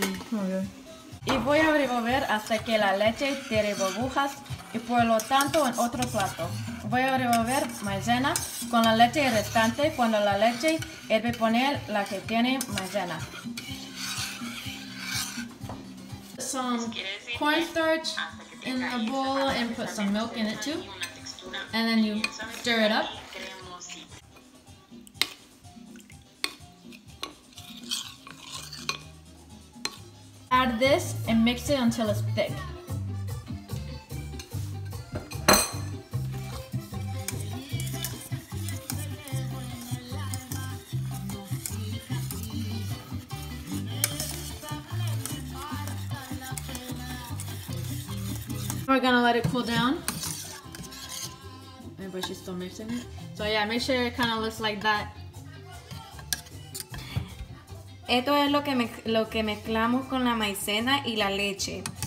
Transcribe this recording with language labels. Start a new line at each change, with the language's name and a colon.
Spanish: Okay. Y voy a revolver hasta que la leche tiene burbujas y por lo tanto en otro plato. Voy a revolver maicena con la leche restante cuando la leche hierve poner la que tiene maicena.
English: Some cornstarch in the bowl and put some milk in it too. And then you stir it up. Add this and mix it until it's thick. We're gonna let it cool down. But she's still mixing it. So yeah, make sure it kind of looks like that.
Spanish: Esto es lo que mezclamos con la maicena y la leche.